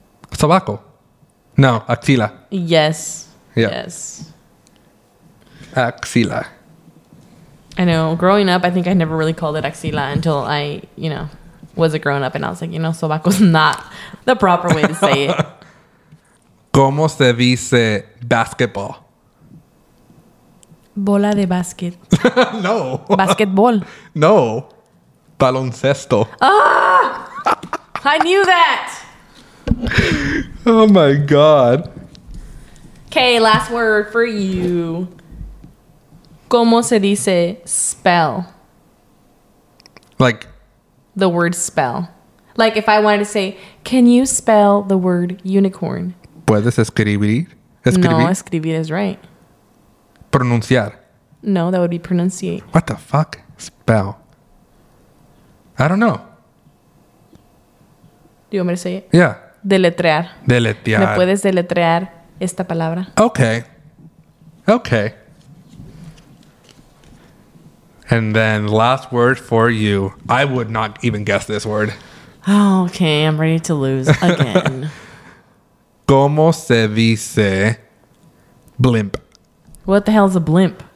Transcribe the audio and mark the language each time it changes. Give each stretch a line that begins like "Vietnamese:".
Spanish: Sobaco. No, axila.
English: Yes. Yep. Yes.
Spanish: Axila.
English: I know. Growing up, I think I never really called it axila until I, you know, was a grown up. And I was like, you know, sobaco's not the proper way to say it.
Spanish: ¿Cómo se dice basketball? Bola de basket.
English: No. Basketball.
Spanish: No. Baloncesto.
English: Ah! I knew that. Oh my god. Okay, last word for you.
Spanish: ¿Cómo se dice
English: spell? Like the word spell. Like if I wanted to say, can you spell the word unicorn?
Spanish: ¿Puedes escribir?
English: No, escribir is right.
Spanish: Pronunciar.
English: No, that would be pronunciate. What the fuck? Spell. I don't know. Do you want me to say it? Yeah.
Spanish: Deletrear. Deletrear. ¿Me puedes deletrear esta palabra?
English: Okay. Okay. And then last word for you. I would not even guess this word. Oh, okay, I'm ready to lose again.
Spanish: ¿Cómo se dice blimp?
English: What the hell is a blimp?